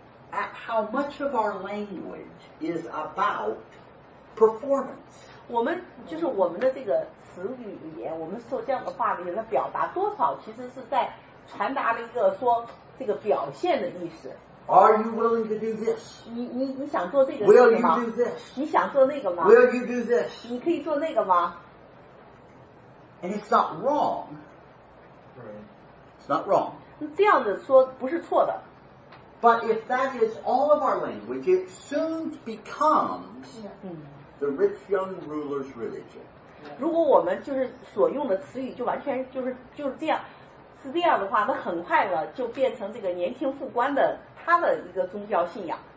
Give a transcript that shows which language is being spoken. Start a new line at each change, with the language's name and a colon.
English: how much of our language is about performance.
Chinese: 我们就是我们的这个词语语言，我们说这样的话里面的表达多少，其实是在传达了一个说这个表现的意思。
English: Are you willing to do this?
Chinese: 你想做这个吗
English: ？Will you do this?
Chinese: 你想做那个吗
English: ？Will you do this?
Chinese: 你可以做那个吗
English: ？And it's not wrong. It's not wrong.
Chinese: 这样子说不是错的。
English: But if that is all of our language, it soon becomes the rich young ruler's religion.
Chinese: 如果我们就是所用的词语就完全就是这样。是这样的话，那很快呢就变成这个年轻副官的他的一个宗教信仰。